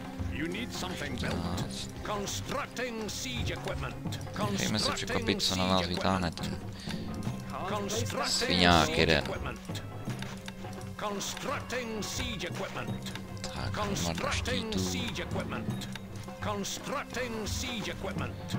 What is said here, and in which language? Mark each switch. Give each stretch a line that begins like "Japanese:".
English: You need something built. Constructing siege equipment.
Czech: Nechajme se překvapit, co na nás vytáhne ten sviňák jeden.
English: Constructing siege equipment. Tak, constructing siege equipment. Constructing siege equipment.